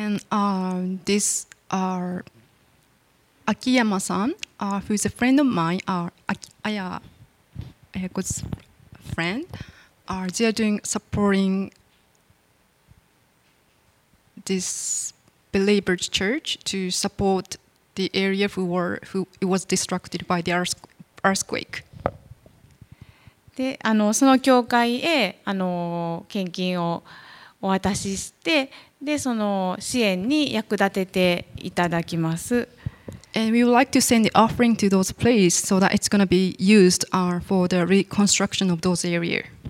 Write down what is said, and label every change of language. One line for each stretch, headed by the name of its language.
English: And Akiyama-san, who's a friend of mine, Ayako's friend, they are doing supporting this believer's church to support the area who it was destructed by the earthquake.
Japanese: で、その教会へ献金をお渡しして、で、その支援に役立てていただきます。
English: And we would like to send the offering to those places so that it's going to be used for the reconstruction of those areas.